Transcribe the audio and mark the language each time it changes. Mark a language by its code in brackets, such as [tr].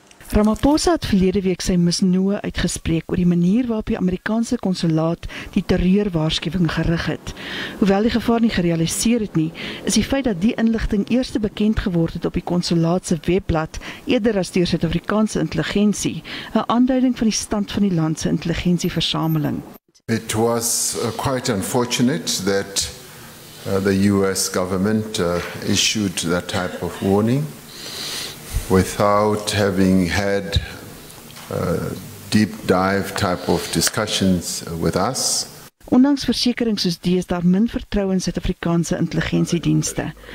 [af] Ramaphosa het verlede week sy misnoë uitgespreek oor die manier waarop die Amerikaanse konsulaat die terreurwaarskuwing gerig het. Hoewel die gevaar nie gerealiseer het nie, is die feit dat die inligting eers bekend geword het op die konsulaat se webblad eerder as deur Suid-Afrikaanse intelligensie, 'n aanduiding van die stand van die land se intelligensieversameling. [en] It was quite unfortunate that the US government issued that type of warning without having had deep dive type of discussions with us. [af] Ondanks versekerings soos die is daar min vertroue in Suid-Afrikaanse intelligensiedienste.